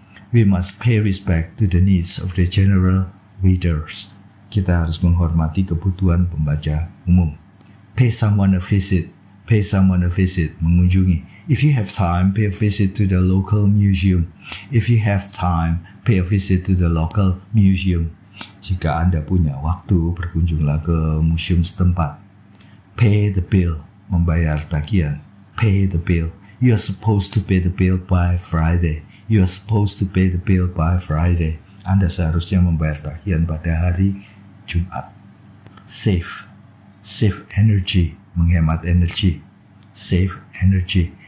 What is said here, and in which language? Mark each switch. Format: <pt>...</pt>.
<en>We must pay respect to the needs of the general readers.</en> <id>Kita harus menghormati kebutuhan pembaca umum.</id> <en>Pay someone a visit. Pay someone a visit.</en> <id>Mengunjungi.</id> <en>If you have time, pay a visit to the local museum. If you have time, pay a visit to the local museum.</en> <id>Jika Anda punya waktu, berkunjunglah ke museum setempat.</id> <en>Pay the bill.</en> <id>Membayar tagihan.</id> <en>Pay the bill. You are supposed to pay the bill by Friday. You are supposed to pay the bill by Friday.</en> <id>Anda seharusnya membayar tagihan pada hari Jumat.</id> <en>Save. Save energy.</en> <id>Menghemat energi.</id> <en>Save energy.</en>